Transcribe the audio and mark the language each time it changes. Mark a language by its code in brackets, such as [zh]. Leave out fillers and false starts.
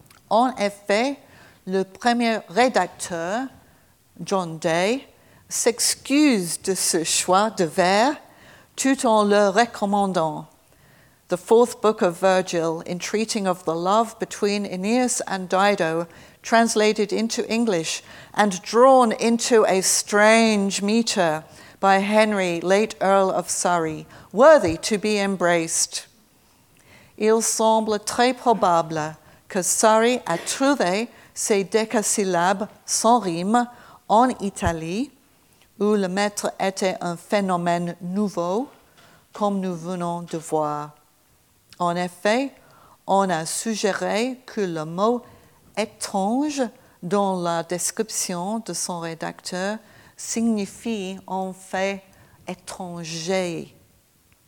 [fr] En effet, le premier rédacteur, John Day, s'excuse de ce choix de vers tout en le recommandant. [en] The fourth book of Virgil, in treating of the love between Aeneas and Dido, translated into English and drawn into a strange meter by Henry, late Earl of Surrey, worthy to be embraced. [fr] Il semble très probable que Surrey a trouvé ses décasyllabes sans rime en Italie, où le maître était un phénomène nouveau, comme nous venons de voir. En effet, on a suggéré que le mot « étrange » dans la description de son rédacteur signifie en fait « étranger ».